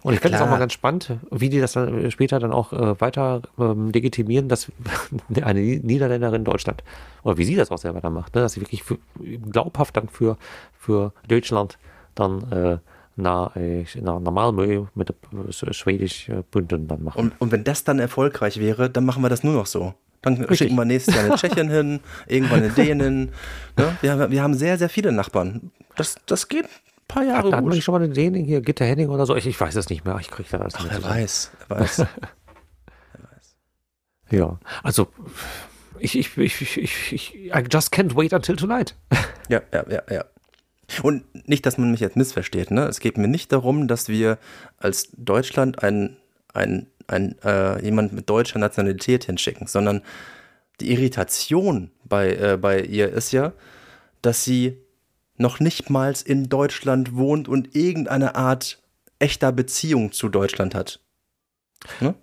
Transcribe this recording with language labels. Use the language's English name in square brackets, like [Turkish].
[German] Und ich finde es auch mal ganz spannend, wie die das dann später dann auch weiter legitimieren, dass eine Niederländerin Deutschland, oder wie sie das auch selber dann macht, ne, dass sie wirklich glaubhaft dann für Deutschland dann normal mit Schwedisch bünden dann machen. Und wenn das dann erfolgreich wäre, dann machen wir das nur noch so. Dann schicken wir nächstes Jahr eine Tschechin hin, irgendwann eine Dänin. Ne? Wir haben sehr, sehr viele Nachbarn. Das geht ein paar Jahre gut. Hatten wir schon mal eine Dänin hier, Gitta Henning oder so? Ich weiß es nicht mehr. Ich kriege da alles. Ach, er weiß, er weiß. Ja, also [English] I just can't wait until tonight. [German] Ja. Und nicht, dass man mich jetzt missversteht, ne? Es geht mir nicht darum, dass wir als Deutschland jemand mit deutscher Nationalität hinschicken, sondern die Irritation bei ihr ist ja, dass sie noch nicht mal in Deutschland wohnt und irgendeine Art echter Beziehung zu Deutschland hat. Ne?